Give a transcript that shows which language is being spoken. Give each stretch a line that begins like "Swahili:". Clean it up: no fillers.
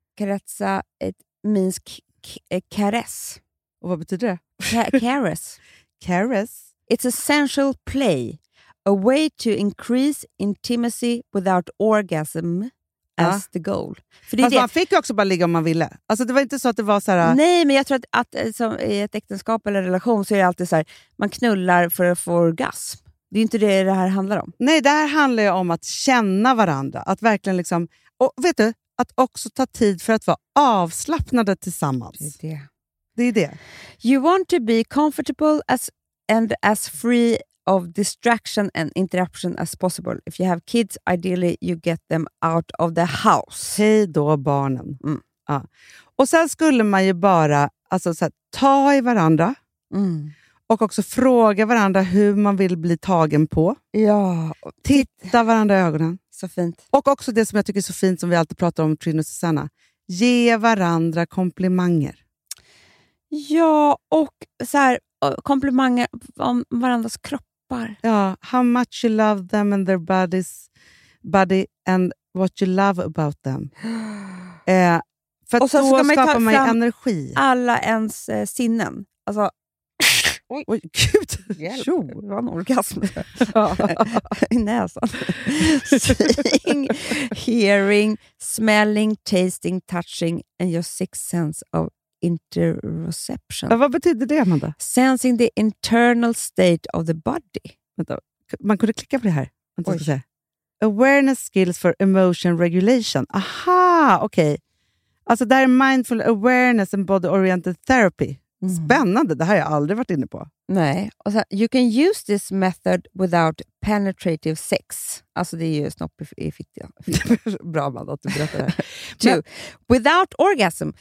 English: Carezza, it means caress.
Swedish: Och vad betyder det?
English: Caress. Caress. It's essential play, a way to increase intimacy without orgasm as the goal.
Swedish: För det, man fick ju också bara ligga om man ville. Alltså det var inte så att det var så här. Nej, men jag tror att som i ett äktenskap eller relation så är det alltid så här, man knullar för att få orgasm. Det är inte det här handlar om. Nej, det här handlar ju om att känna varandra, att verkligen liksom, och vet du, att också ta tid för att vara avslappnade tillsammans. Det är det. Det är det.
English: You want to be comfortable as and as free of distraction and interruption as possible. If you have kids, ideally you get them out of the house.
Swedish: Hej då barnen. Mm. Ja. Och sen skulle man ju bara alltså, så här, ta i varandra. Mm. Och också fråga varandra hur man vill bli tagen på. Ja. Titta varandra i ögonen. Så fint. Och också det som jag tycker är så fint som vi alltid pratar om, Trine och Susanna. Ge varandra komplimanger. Ja, och så här, komplimanger om varandras kroppar.
English: Ja, how much you love them and their bodies, body and what you love about them.
Swedish: För och så då ska skapar man ju energi. Alla ens sinnen. Alltså, oj, gud. Jo, det var en orgasm. I näsan.
English: Seeing, hearing, smelling, tasting, touching and your sixth sense of interoception.
Swedish: Ja, vad betyder det, Amanda?
English: Sensing the internal state of the body.
Swedish: Vänta, man kunde klicka på det här. Vänta, ska säga.
English: Awareness skills for emotion regulation.
Swedish: Aha, okej. Okay. Alltså, det här är
English: mindful awareness and body-oriented therapy. Mm.
Swedish: Spännande, det här har jag aldrig varit inne på. Nej, och så,
English: you can use this method without penetrative sex.
Swedish: Alltså det är ju snopp i fittiga. Bra man att du berättar det
English: här. Two, without orgasm.